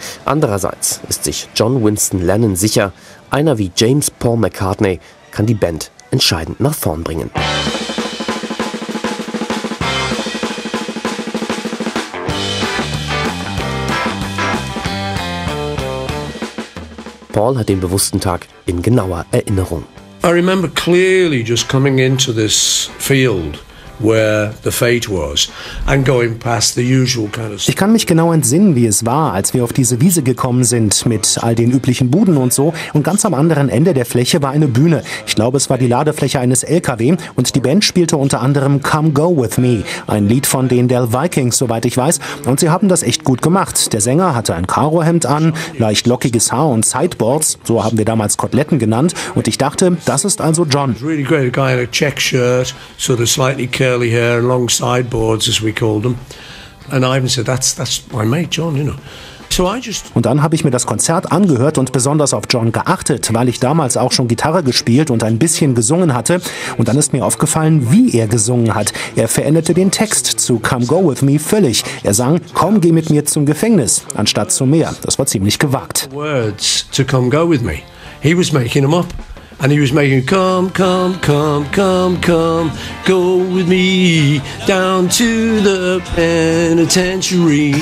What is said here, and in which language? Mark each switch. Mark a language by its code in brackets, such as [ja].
[de] Andererseits ist sich John Winston Lennon sicher, einer wie James Paul McCartney kann die Band entscheidend nach vorn bringen. Paul hat den bewussten Tag in genauer Erinnerung. [en] I remember clearly just coming into this field where the fete was and going past the usual kind of. [de] Ich kann mich genau entsinnen, wie es war, als wir auf diese Wiese gekommen sind mit all den üblichen Buden und so. Und ganz am anderen Ende der Fläche war eine Bühne. Ich glaube, es war die Ladefläche eines LKW und die Band spielte unter anderem Come Go With Me, ein Lied von den Del Vikings, soweit ich weiß. Und sie haben das echt gut gemacht. Der Sänger hatte ein Karohemd an, leicht lockiges Haar und Sideboards, so haben wir damals Koteletten genannt. Und ich dachte, das ist also John. [en] Really great guy in a check shirt, sort of slightly curly hair and long sideboards, as we called them. And Ivan said, that's my mate John, you know. [de] Und dann habe ich mir das Konzert angehört und besonders auf John geachtet, weil ich damals auch schon Gitarre gespielt und ein bisschen gesungen hatte. Und dann ist mir aufgefallen, wie er gesungen hat. Er veränderte den Text zu Come Go With Me völlig. Er sang, komm, geh mit mir zum Gefängnis, anstatt zum Meer. Das war ziemlich gewagt. [en] Words to come go with me. He was making them up. And he was making, come, come, come, come, come, go with me down to the penitentiary.